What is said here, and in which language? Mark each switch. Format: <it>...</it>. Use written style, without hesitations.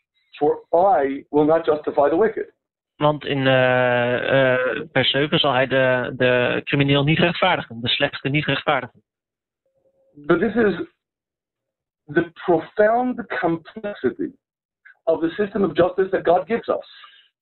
<en>For I will not justify the wicked.</en> <nl>Want in vers 7 zal hij de crimineel niet rechtvaardigen, de slechte niet rechtvaardigen.</nl> <en>But this is the profound complexity of the system of justice that God gives us.</en>